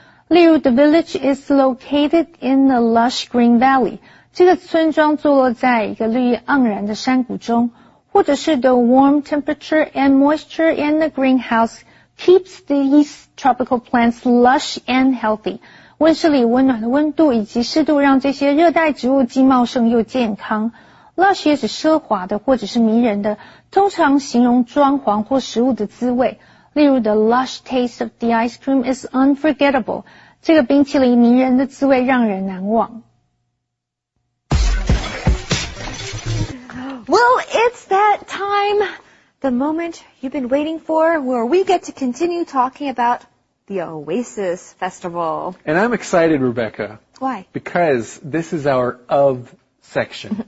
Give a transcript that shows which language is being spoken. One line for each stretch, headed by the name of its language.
Chinese: 例如
English: the village is located in a lush green valley.
Chinese: 这个村庄坐落在一个绿意盎然的山谷中。或者是
English: the warm temperature and moisture in the greenhouse keeps these tropical plants lush and healthy.
Chinese: 温室里温暖的温度以及湿度让这些热带植物既茂盛又健康。 Lush 也指奢华的或者是迷人的，通常形容装潢或食物的滋味。例如
English: the lush taste of the ice cream is unforgettable.
Chinese: 这个冰淇淋迷人的滋味让人难忘。
English: Well, it's that time, the moment you've been waiting for, where we get to continue talking aboutThe Oasis Festival. And I'm excited, Rebecca. Why? Because this is our of section.